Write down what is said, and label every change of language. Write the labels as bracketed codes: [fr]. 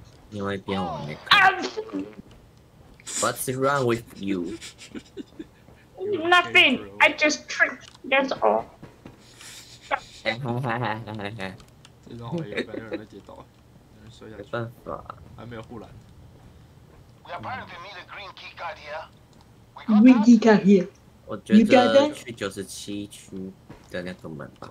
[zh] 另外一边我没看。啊 [en] What's wrong with you? Nothing. I just tripped. That's all. 哈哈哈哈哈哈！ [zh] 这种好一般有人被跌倒，有人摔下去。没办法，还没有护栏。 [en] We apparently need a green key card here. We got green key card here. [zh] 我觉得去九十七区的那个门吧。